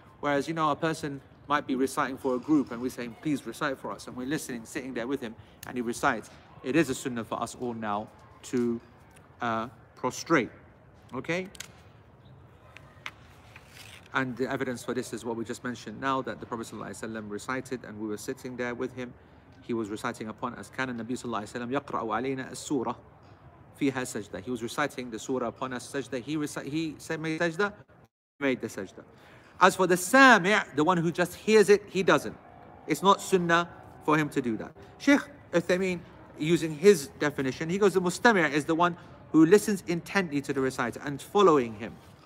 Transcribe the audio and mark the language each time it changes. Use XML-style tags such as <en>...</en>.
<en>Whereas, you know, a person might be reciting for a group and we're saying, please recite for us. And we're listening, sitting there with him, and he recites. It is a sunnah for us all now to prostrate. Okay? And the evidence for this is what we just mentioned now, that the Prophet Sallallahu Alaihi Wasallam recited and we were sitting there with him. He was reciting upon us.</en> <ar>كان النبي صلى الله عليه وسلم يقرأ علينا السورة فيها سجدة.</ar> <en>He was reciting the surah upon us, sajda. He made the sajda. As for the sami', the one who just hears it, he doesn't. It's not sunnah for him to do that. Sheikh Uthaymeen, using his definition, he goes, the mustami' is the one who listens intently to the reciter and following him.</en>